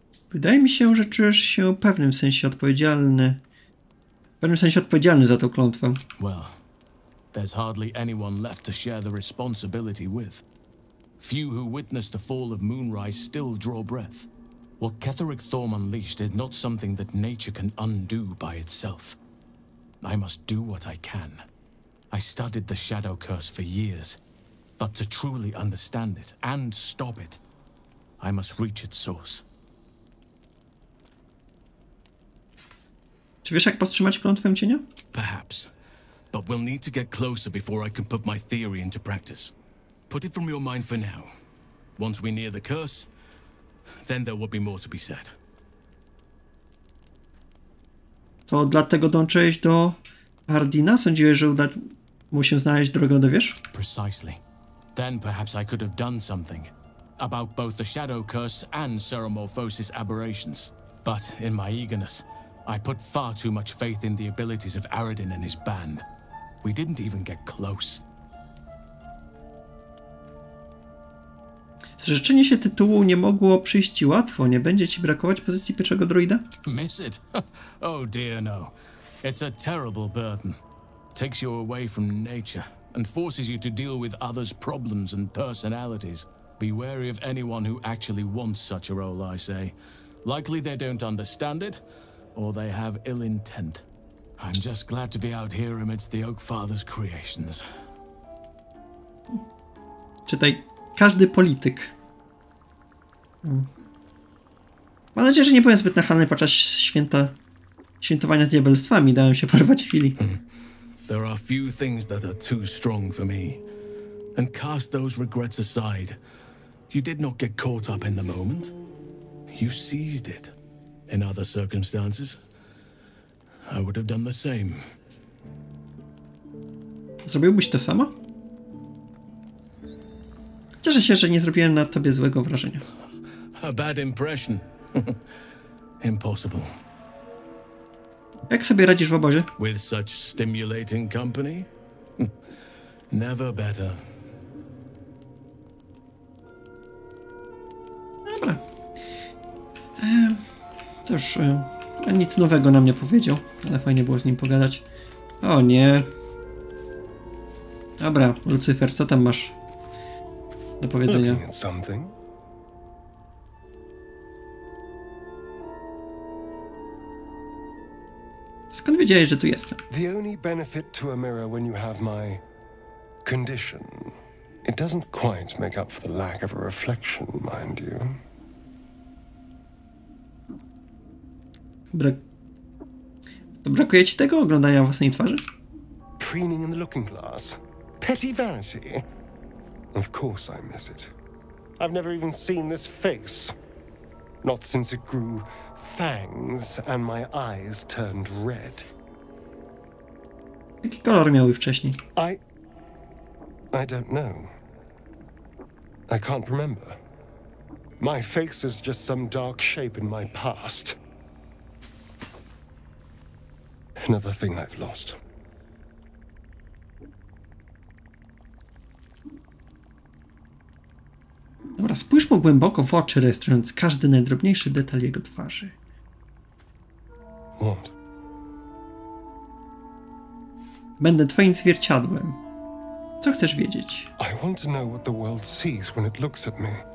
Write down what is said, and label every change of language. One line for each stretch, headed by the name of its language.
Polish: Wydaje mi się, że czujesz się w pewnym sensie odpowiedzialny za tą klątwę.
English: Well, there's hardly anyone left to share the responsibility with. Few who witnessed the fall of Moonrise still draw breath. What Ketherick Thorm unleashed is not something that nature can undo by itself. I must do what I can. I studied the Shadow Curse for years, but to truly understand it and stop it, I must reach its source.
Polish: Czy wiesz, jak powstrzymać klątwę cienia?
English: Perhaps, but we'll need to get closer before I can put my theory into practice. Put it from your mind for now. Once we near the curse, then there will be more to be said.
Polish: To dlatego dążyłeś do Ardina? Sądziłeś, że uda mu się znaleźć drogę do wież?
English: Precisely. Then perhaps I could have done something about both the Shadow Curse and Seramorphosis aberrations. But in my eagerness, I put far too much faith in the abilities of Aradin and his band. We didn't even get close.
Polish: Zrzeczenie się tytułu nie mogło przyjść ci łatwo. Nie będzie ci brakować pozycji pierwszego druida?
English: Miss it? Oh dear no. It's a terrible burden. Takes you away from nature and forces you to deal with others' problems and personalities. Be wary of anyone who actually wants such a role, I say. Likely they don't understand it, or they have ill intent. I'm just glad to be out here amidst the Oak Father's creations.
Polish: Czytaj, każdy polityk. Mam nadzieję, że nie byłem zbyt nachalny podczas świętowania z diabelstwami. Dałem się porwać chwili.
English: There are few things that are too strong for me. And cast those regrets aside. You did not get caught up in the moment. You seized it. In other circumstances, I would have done the same.
Polish: Zrobiłbyś to samo? Cieszę się, że nie zrobiłem na tobie złego wrażenia.
English: A bad impression. Impossible.
Polish: Jak sobie radzisz w obozie?
English: With such stimulating company? Never better.
Polish: Dobra. Cóż, nic nowego nam nie powiedział, ale fajnie było z nim pogadać. O nie. Dobra, Lucyfer, co tam masz do powiedzenia? Skąd wiedziałeś, że tu jestem?
English: The only benefit to a mirror when you have my condition. It doesn't quite make up for the lack of a reflection, mind you.
Polish: Brakuje ci tego oglądania własnej twarzy?
English: Preening in the looking glass. Petty vanity. Of course I miss it. I've never even seen this face. Not since it grew fangs and my eyes turned red.
Polish: Jaki kolor miały wcześniej?
English: I don't know. I can't remember. My face is just some dark shape in my past. Another thing I've lost.
Polish: Dobra, spójrz mu głęboko w oczy, rejestrując każdy najdrobniejszy detal jego twarzy.
English: What?
Polish: Będę twoim zwierciadłem. Co chcesz wiedzieć?
English: I want to know what the world sees when it looks at me.